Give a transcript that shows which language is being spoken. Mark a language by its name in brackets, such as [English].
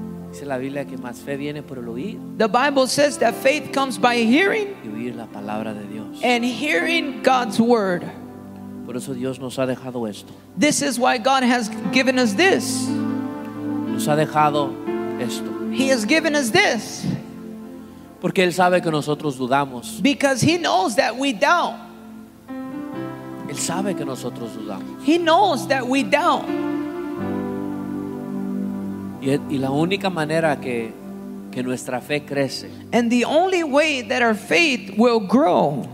[Spanish] Dice la Biblia que más fe viene por el oír. [English] The Bible says that faith comes by hearing. [Spanish] Y oír la palabra de Dios. [English] And hearing God's word. [Spanish] Por eso Dios nos ha dejado esto. [English] This is why God has given us this. [Spanish] Nos ha dejado esto. [English] He has given us this. [Spanish] Porque él sabe que nosotros dudamos. [English] Because he knows that we doubt. [Spanish] Él sabe que nosotros dudamos. [English] He knows that we doubt. [Spanish] Y la única manera que nuestra fe crece. [English] And the only way that our faith will grow.